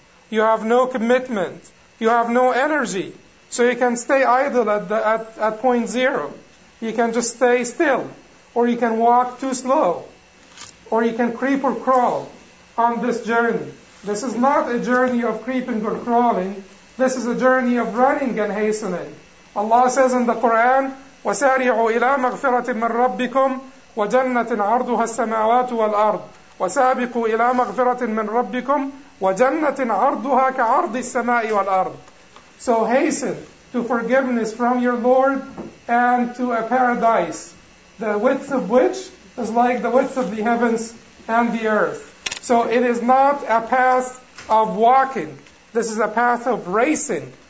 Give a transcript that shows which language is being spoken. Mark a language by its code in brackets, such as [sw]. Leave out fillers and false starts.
[en] You have no commitment. You have no energy. So you can stay idle at point zero. You can just stay still. Or you can walk too slow. Or you can creep or crawl on this journey. This is not a journey of creeping or crawling. This is a journey of running and hastening. Allah says in the Quran, [ar] وَسَارِعُوا إِلَى مَغْفِرَةٍ مِّن رَّبِّكُمْ وَجَنَّةٍ عَرْضُهَا السَّمَاوَاتُ وَالْأَرْضُ وَسَابِقُوا إِلَى مَغْفِرَةٍ مِّن رَّبِّكُمْ وَجَنَّةٍ عَرْضُهَا كَعَرْضِ السَّمَاءِ وَالْأَرْضِ. [en] So hasten to forgiveness from your Lord and to a paradise, the width of which is like the width of the heavens and the earth. So it is not a path of walking. This is a path of racing.